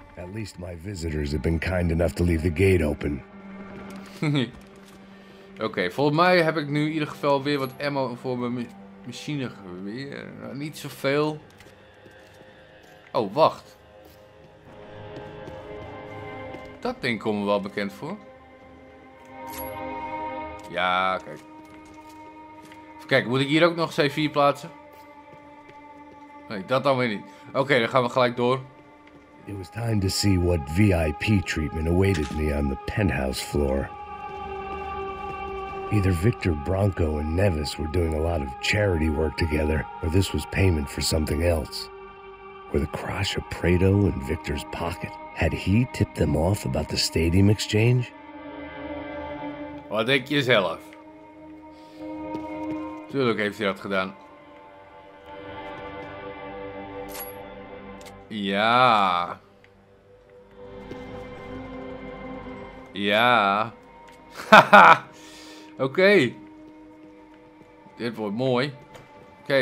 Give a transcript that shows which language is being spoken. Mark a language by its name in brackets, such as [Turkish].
[English] At least my visitors have been kind enough to leave the gate open. [Dutch] Oké, volgens mij heb ik nu in ieder geval weer wat ammo voor mijn machinegeweer. Niet zoveel. Oh, wacht. Dat ding komt me wel bekend voor. Ja, kijk. Even kijken, moet ik hier ook nog C4 plaatsen? Nee, dat dan weer niet. Oké, dan gaan we gelijk door. [English] It was time to see what VIP treatment awaited me on the penthouse floor. Either Victor Bronco and Nevis were doing a lot of charity work together, or this was payment for something else. Were the crash of Prado in Victor's pocket? Had he tipped them off about the stadium exchange? [Dutch] Wat denk je zelf? Tuurlijk heeft hij dat gedaan. Ja. Ja. Haha. Oké. Dit wordt mooi. Oké.